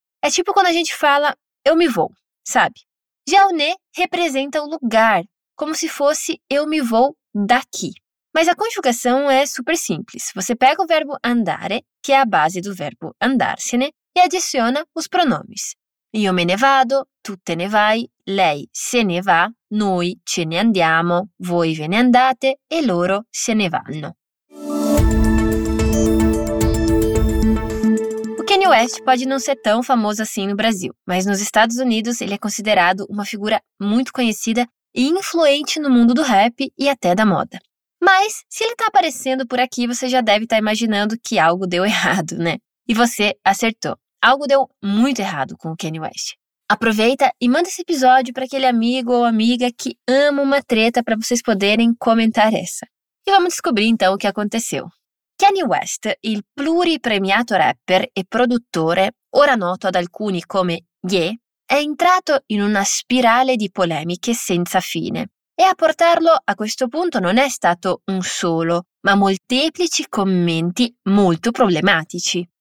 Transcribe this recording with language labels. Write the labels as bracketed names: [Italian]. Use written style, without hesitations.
[Portuguese] É tipo quando a gente fala, eu me vou, sabe? Já o ne representa o lugar, como se fosse eu me vou daqui. Mas a conjugação é super simples. Você pega o verbo andare, que é a base do verbo andarsene, e adiciona os pronomes. [Italian] Io me ne vado, tu te ne vai, lei se ne va, noi ce ne andiamo, voi ve ne andate e loro se ne vanno. [Portuguese] Kanye West pode não ser tão famoso assim no Brasil, mas nos Estados Unidos ele é considerado uma figura muito conhecida e influente no mundo do rap e até da moda. Mas, se ele está aparecendo por aqui, você já deve estar imaginando que algo deu errado, né? E você acertou. Algo deu muito errado com o Kanye West. Aproveita e manda esse episódio para aquele amigo ou amiga que ama uma treta para vocês poderem comentar essa. E vamos descobrir então o que aconteceu. [Italian] Kanye West, il pluripremiato rapper e produttore, ora noto ad alcuni come Ye, è entrato in una spirale di polemiche senza fine. E a portarlo a questo punto non è stato un solo, ma molteplici commenti molto problematici.